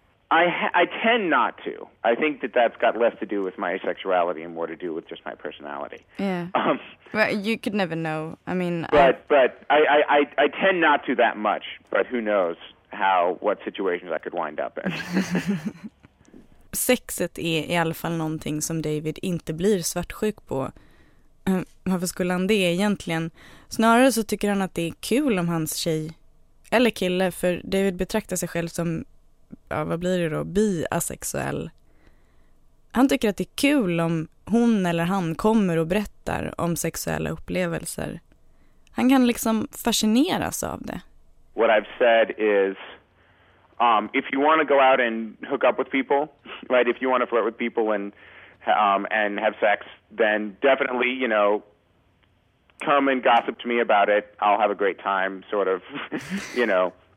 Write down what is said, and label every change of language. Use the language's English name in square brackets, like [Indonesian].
[English] I tend not to. I think that that's got less to do with my asexuality and more to do with just my personality. Yeah. Well, you could never know. I mean, But I tend not to that much, but who knows how what situations I could wind up in. [Swedish] Sexet är i alla fall någonting som David inte blir svartsjuk på. Varför skulle han det egentligen? Snarare så tycker han att det är kul om hans tjej eller kille, för David betraktar sig själv som, ja, vad blir det då, bi-asexuell. Han tycker att det är kul om hon eller han kommer och berättar om sexuella upplevelser. Han kan liksom fascineras av det. [English] What I've said is, if you want to go out and hook up with people, right, if you want to flirt with people and have sex, then definitely, you know, come and gossip to me about it. I'll have a great time, sort of, you know.